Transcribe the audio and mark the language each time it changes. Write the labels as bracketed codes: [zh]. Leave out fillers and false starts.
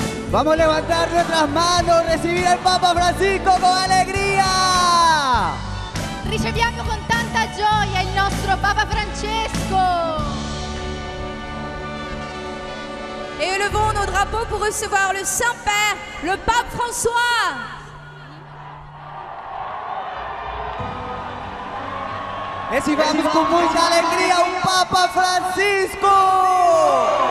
[es] Vamos a levantar nuestras manos, recibir al Papa Francisco con alegría. [it] Riceviamo con tanta gioia il nostro Papa Francesco. [fr] Et élevons nos drapeaux pour recevoir le Saint-Père, le Pape François. [es] Es y vamos con mucha alegría, un Papa Francisco.